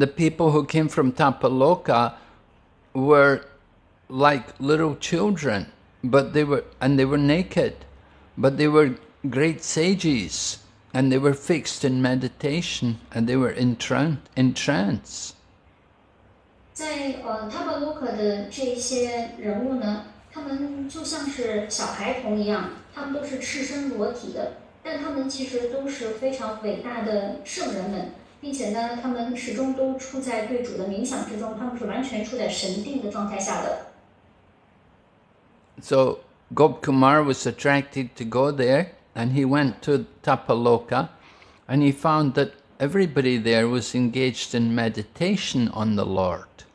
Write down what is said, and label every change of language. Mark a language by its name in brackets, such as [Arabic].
[English] the people who came from Tapaloka were like little children, but they were naked, but they were great sages, and they were fixed in meditation, and they were in trance. [Chinese] 在Tapaloka的这些人物呢，他们就像是小孩童一样，他们都是赤身裸体的，但他们其实都是非常伟大的圣人们，并且呢，他们始终都处在对主的冥想之中，他们是完全处在神定的状态下的。So [English] Gop Kumar was attracted to go there, and he went to Tapaloka, and he found that everybody there was engaged in meditation on the Lord.